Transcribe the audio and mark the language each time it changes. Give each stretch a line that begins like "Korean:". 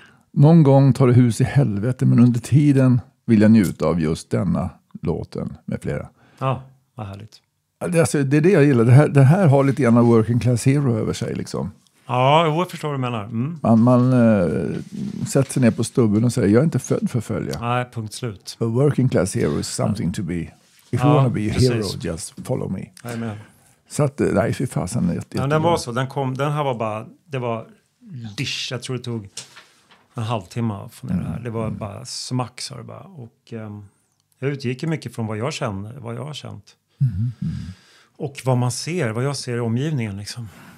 Swedish: Någon gång tar det hus i helvete, men under tiden vill jag njuta av just denna låten med flera. Ja, vad härligt. Alltså, det är det jag gillar, det här har lite grann av Working Class Hero över sig liksom. Ja, jag förstår vad du menar. Mm. Man sätter sig ner på stubben och säger, jag är inte född för att följa. Nej, punkt slut.
English: A working class hero is something to be. If you want to be a hero, just follow me. Amen.
Swedish: Så att, nej, fy fasen. Ja, den var så, den här var bara, det var dish, jag tror det tog en halvtimme från det här. Det var bara smack, sa det bara. Och jag utgick mycket från vad jag har känt. Och vad jag ser i omgivningen liksom.